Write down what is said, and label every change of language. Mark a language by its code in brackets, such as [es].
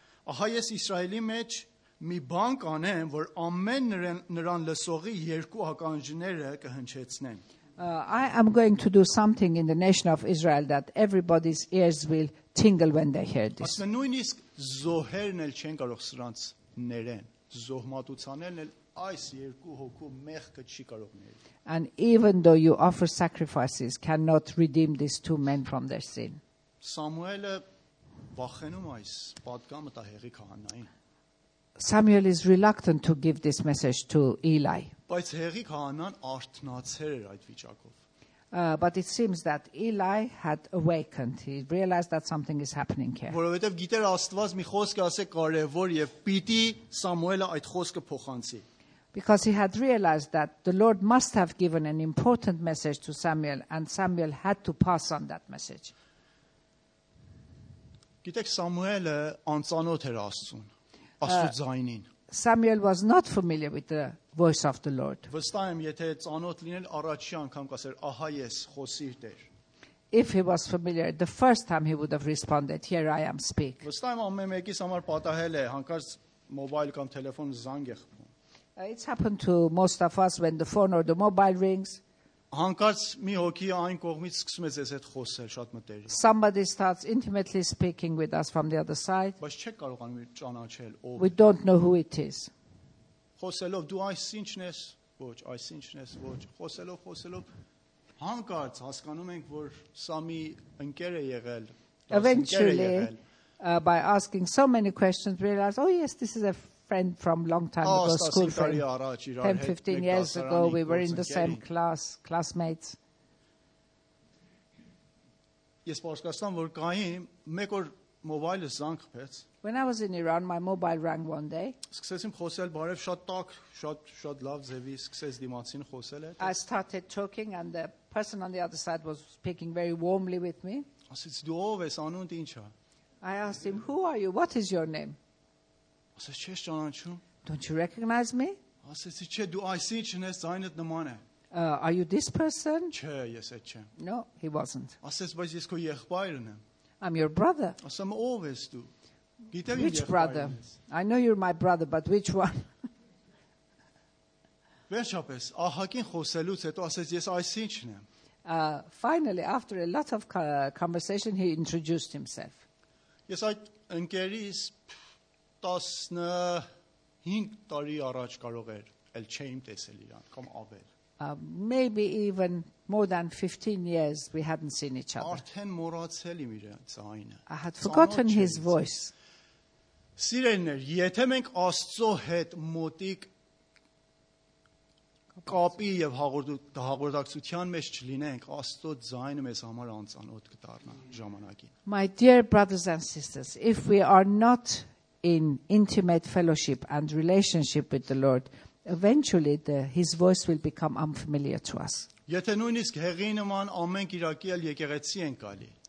[hy] Ահա ես Իսրայելի մեջ մի բան կանեմ, որ ամեն նրան լսողի երկու ականջները կհնչեցնեն. [en] I am going to do something in the nation of Israel that everybody's ears will tingle when they hear this. [hy] Ասում է նույնիսկ զոհերն էլ չեն կարող սրանց ներեն. Զոհմատուցանելն էլ այս երկու հոգու մեղքը չի կարող ներել. [en] And even though you offer sacrifices cannot redeem these two men from their sin. [hy] Սամուելը վախենում այս պատգամը տա հեղի քահանային. [en] Samuel is reluctant to give this message to Eli. [hy] Բայց հեղի քահանան արթնացել էր այդ վիճակով. [en] But it seems that Eli had awakened. He realized that something is happening here. [hy] Որովհետև գիտեր Աստված մի խոսք ասե կարևոր եւ պիտի Սամուելը այդ խոսքը փոխանցի. [en] Because he had realized that the Lord must have given an important message to Samuel and Samuel had to pass on that message. [hy] Գիտեք Սամուելը անծանոթ էր Աստծուն, Աստծո ձայնին. [en] Samuel was not familiar with the voice of the Lord. [hy] Վստահեմ, եթե ծանոթ լինել առաջի անգամ կասեր, ահա ես, խոսիր Տեր. [en] If he was familiar the first time he would have responded, here I am, speak. [hy] Վստահեմ, ամեն մեկիս համար պատահել է, հանկարծ մոբայլ կամ տելեֆոն զանգ է խփում. [en] It's happened to most of us when the phone or the mobile rings. [hy] Հանկարծ մի հոգի այն կողմից սկսում է ձեզ հետ խոսել շատ մտերիմ. [en] Somebody starts intimately speaking with us from the other side. [hy] Բայց չեք կարողանում ճանաչել ով։ [en] We don't know who it is. [hy] Խոսելով դու այսինչն ես, ոչ, այսինչն ես, ոչ, խոսելով հանկարծ հասկանում ենք, որ սա մի ընկեր է եղել, [en] eventually by asking so many questions realize oh yes this is a friend from long time ago, school friend. 10-15 years ago we were in the same class, classmates. [hy] Ես պարզկացնում որ կային մեկ օր մոբայլը զանգ խփեց. [en] When I was in Iran, my mobile rang one day. [hy] Սկսեցի խոսել բարև, շատ տաք, շատ լավ ձևի, սկսեց դիմացին խոսել հետ. [en] I started talking and the person on the other side was speaking very warmly with me. [hy] Ասեց դու ով ես, անունդ ի՞նչ է. [en] I asked him, "Who are you? What is your name?" [hy] Ասեց չես ճանաչում. [en] Don't you recognize me? [hy] Ասեց չէ, դու այսինչն ես, ձայնդ նման է. [en] Are you this person? [hy] Չէ, ես այդ չեմ. [en] No, he wasn't. [hy] Ասեց, բայց ես քո եղբայրն եմ. [en] I'm your brother. [hy] Ասեմ ով ես դու. [en] Which brother? I know you're my brother, but which one? [hy] Վերջապես ահագին խոսելուց հետո ասեց ես այս ինչն եմ. [en] Finally, after a lot of conversation, he introduced himself. [hy] Ես այդ ընկերիս 15 տարի առաջ կարող էր էլ չեմ տեսել իրան կամ ավել. [en] Maybe even more than 15 years we hadn't seen each other. [hy] Արդեն մոռացել եմ իր ձայնը. [en] I had forgotten his voice. [hy] Սիրելիներ, եթե մենք Աստծո հետ մոտիկ կապի եւ հաղորդակցության մեջ չլինենք, Աստծո ձայնը մեզ համար անծանոթ կդառնա ժամանակին։ [en] My dear brothers and sisters, if we are not in intimate fellowship and relationship with the Lord, eventually his voice will become unfamiliar to us. [hy] Եթե նույնիսկ հեղի նման ամեն կիրակի էլ եկեղեցի են գալի,